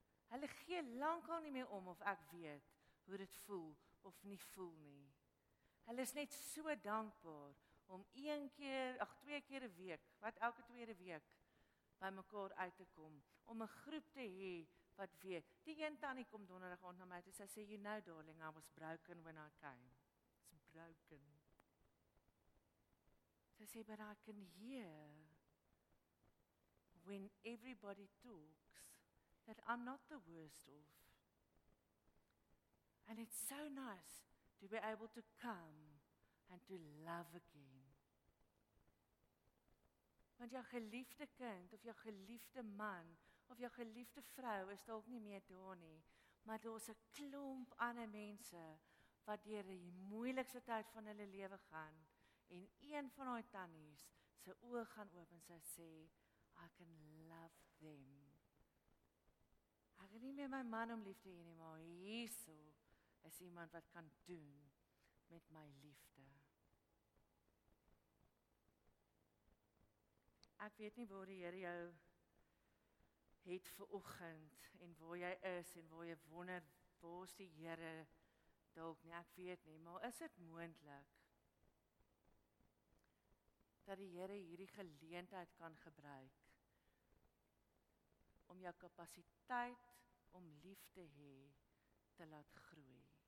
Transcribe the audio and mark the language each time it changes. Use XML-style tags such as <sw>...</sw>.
<af>Hulle gee lankal nie meer om of ek weet hoe dit voel of nie voel nie. Hulle is net so dankbaar om twee keer 'n week, wat elke tweede week, by mekaar uit te kom, om 'n groep te hê wat weet. Die een tannie kom donderdag aand na my toe, sy sê,</af> <en>you know darling, I was broken when I came. It's broken.</en> <af>Sy sê,</af> <en>but I can hear when everybody talks that I'm not the worst off. And it's so nice to be able to come and to love again.</en> <af>Want jou geliefde kind, of jou geliefde man, of jou geliefde vrou is dalk nie meer daar nie, maar daar's 'n klomp ander mense wat deur die moeilikste tyd van hulle lewe gaan, en een van daai tannies se oë gaan oop en sy sê,</af> <en>I can love them.</en> <af>Ek het nie meer my man om lief te hê nie, maar hierso is iemand wat kan doen met my liefde. Ek weet nie waar die Here jou het vir oggend en waar jy is en waar jy wonder waar is die Here dalk nie, ek weet nie, maar is dit moontlik dat die Here hierdie geleentheid kan gebruik om jou kapasiteit om lief te hê te laat groei?</af>